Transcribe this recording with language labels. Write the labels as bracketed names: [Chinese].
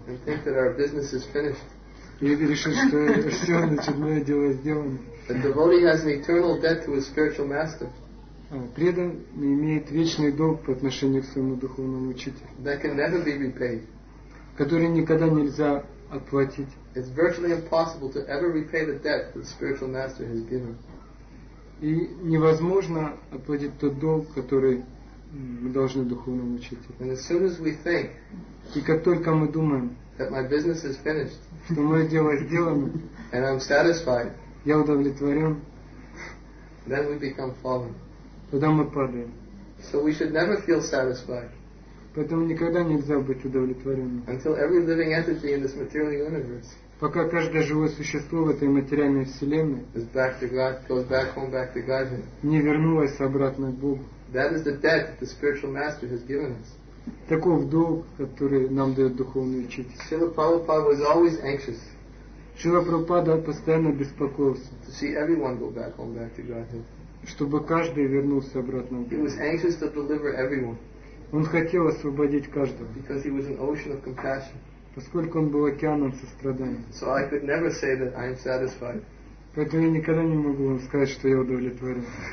[English] And think that our business is finished. [Russian] И решит, что все, значит, мое дело сделано. [English] A devotee has an eternal debt to his spiritual master. [Russian] Преданный имеет вечный долг по отношению к своему духовному учителю. [English] That can never be repaid. [Russian] Который никогда нельзя отплатить. [English] It's virtually impossible to ever repay the debt that the spiritual master has given. [Russian] И невозможно оплатить тот долг, который мы должны духовному учителю. [English] And as soon as we think, [Russian] и как только мы думаем, [English] that my business is finished, [Russian] что мое дело сделано, [English] and I'm satisfied, [Russian] я удовлетворен, [English] then we become fallen. [Russian] Тогда мы падаем. [English] So we should never feel satisfied. [Russian] Поэтому никогда нельзя быть удовлетворенным. [English] Until every living entity in this material universe, [Russian] пока каждое живое существо в этой материальной вселенной, [English] is back to God, goes back home, back to Godhead, [Russian] не вернулось обратно к Богу. [English] That is the debt the spiritual master has given us. [Russian] Таков долг, который нам дает духовный учитель. [English] Srila Prabhupada was always anxious. [Russian] Srila Prabhupada постоянно беспокоился. [English] To see everyone go back home, back to Godhead. [Russian] Чтобы каждый вернулся обратно к Богу. [English] He was anxious to deliver everyone. [Russian] Он хотел освободить каждого. [English] Because he was an ocean of compassion. [Russian] Поскольку он был океаном сострадания. [English] So I could never say that I am satisfied. [Russian] Поэтому я никогда не могу вам сказать, что я удовлетворен.